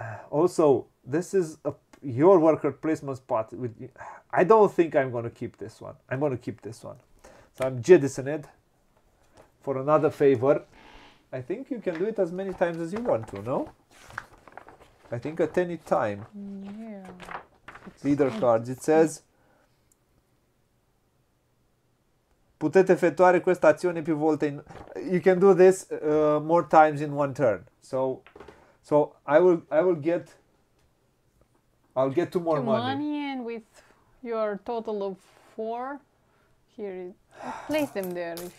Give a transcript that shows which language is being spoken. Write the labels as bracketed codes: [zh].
[en] Also, this is your worker placement spot. I don't think I'm going to keep this one. I'm going to keep this one. So I'm jettisoning it for another favor. I think you can do it as many times as you want to, no? I think at any time. Yeah. Leader cards. It says, [it] "Potete effettuare questa azione più volte." [en] You can do this more times in one turn. So I will get. I'll get two more money, and with your total of 4, here is, place them there.